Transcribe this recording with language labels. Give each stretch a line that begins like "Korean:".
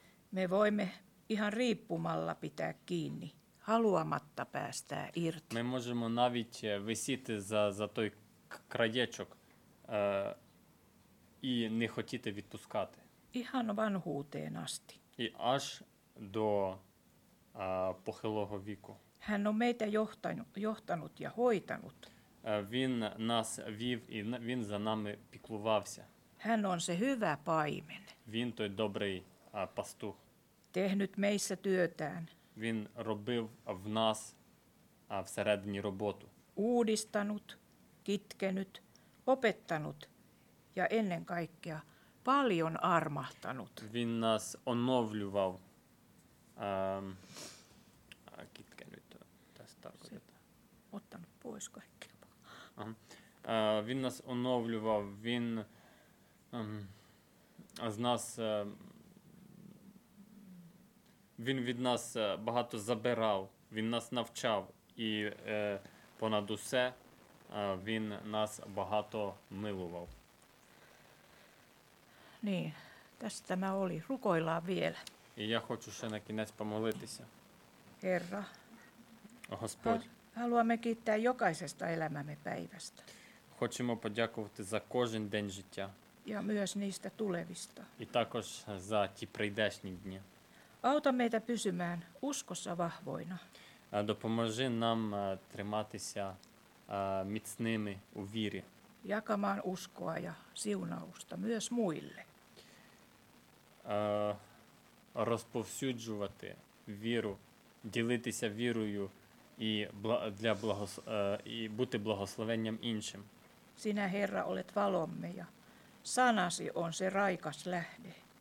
Finnish: Me voimme ihan riippumalla pitää kiinni, haluamatta päästää irti.
Ukrainian: Ми можемо навіть висіти за той краєчок і не хотіти відпускати.
Finnish: Ihan vanhuuteen asti.
Ukrainian: І аж до похилого віку.
Finnish: Hän on meitä johtanut ja hoitanut.
Ukrainian: Він нас вів і він за нами піклувався.
Finnish: Hän on se hyvä paimen.
Ukrainian: Він той добрий пастух.
Finnish: Tehnyt meissä työtään.
Ukrainian: Він робив в нас всередині роботу.
Finnish: Uudistanut, kitkenyt, opettanut ja ennen kaikkea paljon armahtanut.
Ukrainian: Він нас оновлював.
Finnish: Kitkenyt tässä tarkoitetaan. Ottanut pois kaikki.
Ukrainian: Він нас оновлював, він з нас він від нас багато забирав, він нас навчав і понад усе він нас багато милував.
Finnish: Niin, tässä tämä oli. Rukoillaan vielä.
Ukrainian: І я хочу ще на кінець помолитися.
Finnish: Herra.
Ukrainian: Господь.
Finnish: Haluamme kiittää jokaisesta elämämme päivästä.
Ukrainian: Хочемо подякувати за кожен день життя.
Finnish: Ja myös niistä tulevista.
Ukrainian: І також за ті прийдешні дні.
Finnish: Auta meitä pysymään uskossa vahvoina.
Ukrainian: Допоможи нам триматися міцними у вірі.
Finnish: Jakamaan uskoa ja siunausta myös muille.
Ukrainian: Розповсюджувати віру, ділитися вірою і бути благословенням іншим.
Finnish: Sinä, Herra, olet valomme ja sanasi on se raikas lähde.